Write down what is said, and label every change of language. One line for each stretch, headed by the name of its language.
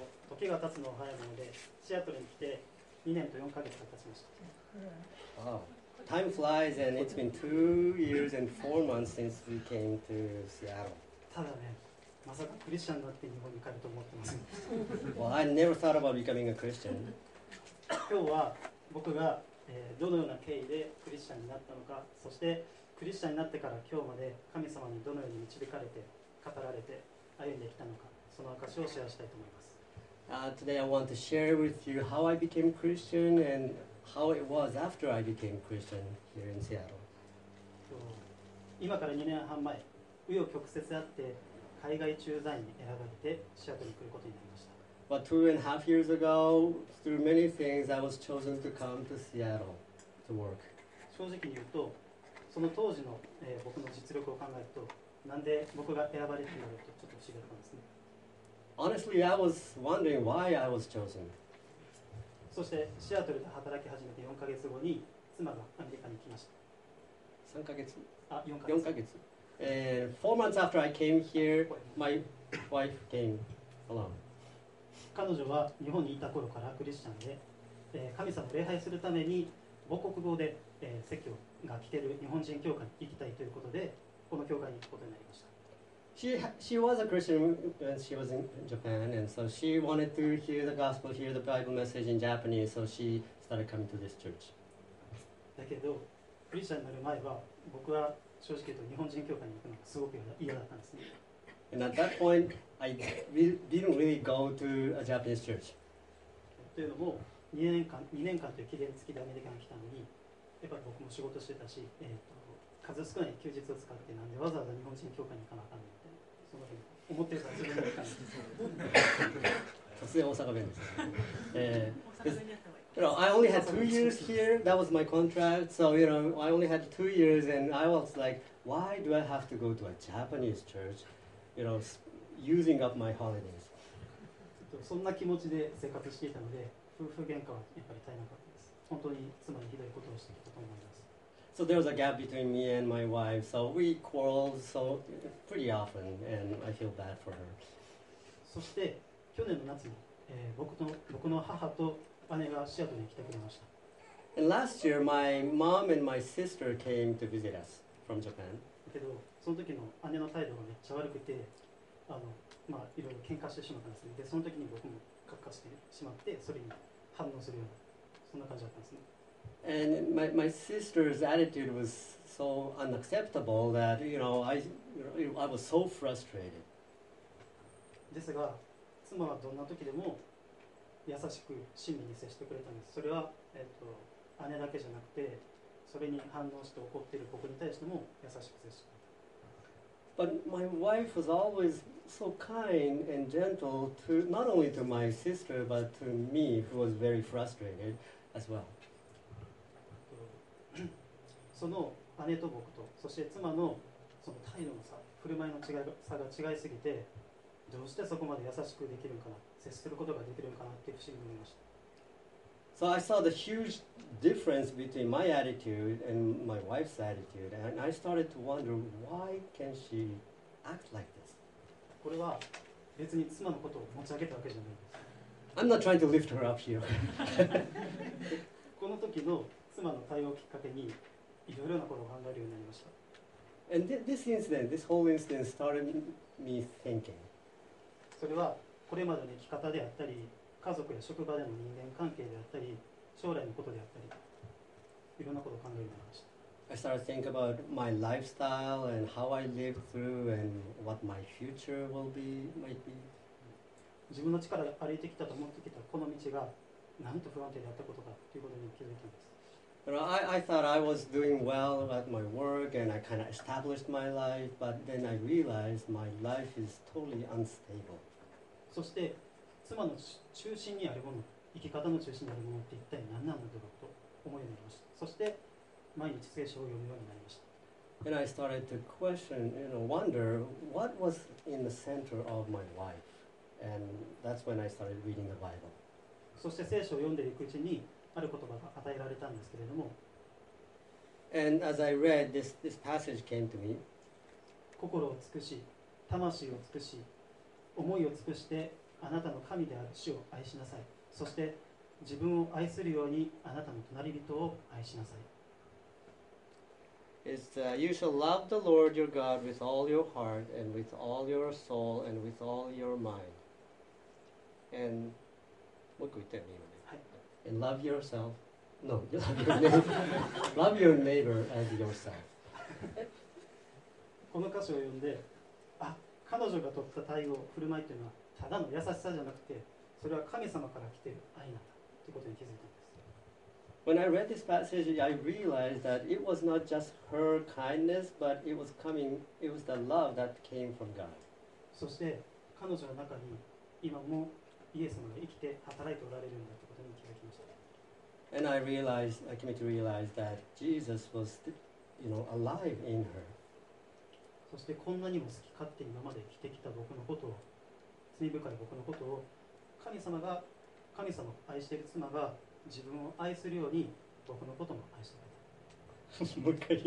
Japanese: 時が経つのは早いので、シアトルに来て2年と4ヶ月が経ちました。
English: Time flies and it's been 2 years and 4 months since we came to Seattle.
Japanese: ただね、まさかクリスチャンになって日本に帰ると思ってませんでした。
English: Well, I never thought about becoming a Christian.
Japanese: 今日は僕が、どのような経緯でクリスチャンになったのか、そしてクリスチャンになってから今日まで神様にどのように導かれて、語られて、歩んできたのか、その証をシェアしたいと思います。
English: Today I want to share with you how I became Christian and how it was after I became Christian here in Seattle.
Japanese: 今から2年半前、紆余曲折あって海外駐在に選ばれてシアトルに来ることになりました。
English: But 2.5 years ago, through many things, I was chosen to come to Seattle to work.
Japanese: 正直に言うと、その当時の、僕の実力を考えると、なんで僕が選ばれているのかとちょっと不思議だったんですね。
English: Honestly, I was wondering why I was chosen.
Japanese: そしてシアトルで働き始めて4ヶ月後に妻がアメリカに来ました。 3ヶ月？あ、4ヶ月。 4ヶ月。
English: 4 months after I came here, my wife came along.
Japanese: 彼女は日本にいた頃からクリスチャンで、神様を礼拝するために母国語で、説教が来ている日本人教会に行きたいということで、この教会に行くことになりました。
English: She was a Christian when she was in Japan, and so she wanted to hear the gospel, hear the Bible message in Japanese, so she started coming to this church.
Japanese: だけど、クリスチャンになる前は、僕は正直言うと日本人教会に行くのがすごく嫌だったんですね。
English: And at that point, I didn't really go to a Japanese church.
Japanese: というのも、2年間という期限付きでアメリカに来たのに、やっぱり僕も仕事してたし、数少ない休日を使ってなんでわざわざ日本人教会に行かなあかんねんってその辺思ってるから自分で行かないさすが大阪弁です大阪弁に行った方がいい
English: I only had 2 years here, that was my contract so you know, I only had 2 years and I was like, why do I have to go to a Japanese church you know, using up my holidays
Japanese: そんな気持ちで生活していたので夫婦喧嘩はやっぱり絶えなかったです本当に妻にひどいことをしてきたと思います
English: So there was a gap between me and my wife, so we quarreled so pretty often, and I feel bad for her.
Japanese: そして去年の夏に、僕の母と姉がシアトルに来てくれました。
English: And last year, my mom and my sister came to visit us from Japan.
Japanese: けどその時の姉の態度がめっちゃ悪くて、いろいろ喧嘩してしまったんですね。でその時に僕もカッカしてしまって、それに反応するようなそんな感じだったんですね。
English: And my sister's attitude was so unacceptable that I was so frustrated.
Japanese: ですが、妻はどんな時でも優しく親身に接してくれたんです。それは姉だけじゃなくて、それに反応して怒っている僕に対しても優しく接してくれた。
English: But my wife was always so kind and gentle to not only to my sister but to me, who was very frustrated as well.
Japanese: その姉と僕と、そして妻のその態度の差、振る舞いの差が違いすぎて、どうしてそこまで優しくできるのかな、接することができるのかなって不思議に思いました。
English: So I saw the huge difference between my attitude and my wife's attitude, and I started to wonder why can she act like this?
Japanese: これは別に妻のことを持ち上げたわけじゃないです。
English: I'm not trying to lift her up here.
Japanese: この時の妻の対応をきっかけに、いろいろなことを考えるようになりました。
English: And this incident, this whole incident started me thinking.
Japanese: それはこれまでの生き方であったり、家族や職場での人間関係であったり、将来のことであったり、いろんなことを考えるようになりました。
English: I started thinking about my lifestyle and how I live through and what my future will be, might be.
Japanese: 自分の力で歩いてきたと思ってきたこの道が、なんと不安定であったことかということに気づいたんです。
English: I thought I was doing well at my work and I kind of established my life, but then I realized my life is totally unstable.
Japanese: そして妻の中心にあるもの、生き方の中心にあるものって一体何なのだろうと思いになりました。そして毎日聖書を読むようになりました。
English: And I started to question, wonder what was in the center of my life. And that's when I started reading the Bible.
Japanese: そして聖書を読んでいくうちに、ある言葉が与えられたんですけれども
English: And as I read, this passage came to me.
Japanese: 心を尽くし、魂を尽くし、思いを尽くしてあなたの神である主を愛しなさい。そして自分を愛するようにあなたの隣人を愛しなさい。
English: It's you shall love the Lord your God with all your heart and with all your soul and with all your mind.
Japanese: And もう一個言ったよね、今ね。はい。
English: And love yourself. No, love your neighbor. Love your neighbor as yourself.
Japanese: この歌詞を読んで、あ、彼女が取った対応、振る舞いというのはただの優しさじゃなくて、それは神様から来ている愛なんだということに気づいた。
English: When I read this passage, I realized that it was not just her kindness, but it was coming, it was the love that came from God.
Japanese: そして彼女の中に今もイエス様が生きて働いておられるんだということに気づきました。
English: And I realized, I came to realize that Jesus was, you know, alive in her.
Japanese: そしてこんなにも好き勝手に今まで生きてきた僕のことを、罪深い僕のことを、神様を愛している妻が、自分を愛するように僕のことも愛してくれた。